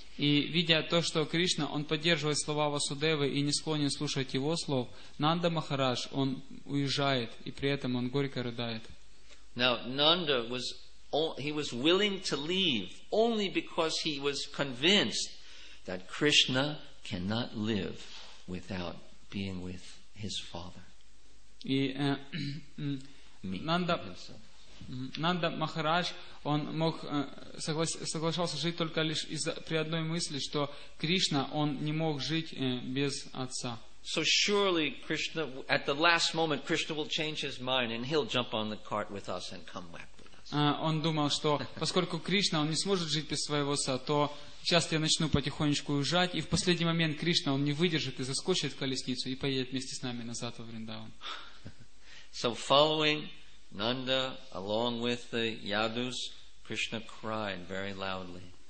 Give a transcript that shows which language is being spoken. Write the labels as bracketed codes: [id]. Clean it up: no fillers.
[ru] И видя то, что Кришна, он поддерживает слова Васудевы и не склонен слушать его слов, Нанда Махарадж, он уезжает, и при этом он горько рыдает. [en] Now, Nanda was, he was willing to leave only because he was convinced that Krishna cannot live without being with his father. [ru] И Нанда, Нанда Махарадж, он мог соглашался жить только лишь из-за при одной мысли, что Кришна, он не мог жить без отца. [en] So surely Krishna, at the last moment, Krishna will change his mind and he'll jump on the cart with us and come back with us. [ru] Он думал, что поскольку Кришна, он не сможет жить без своего отца, то сейчас я начну потихонечку уезжать, и в последний момент Кришна, он не выдержит и заскочит в колесницу и поедет вместе с нами назад во Вриндаван. [en] So following Nanda along with the Yadus, Krishna cried very loudly.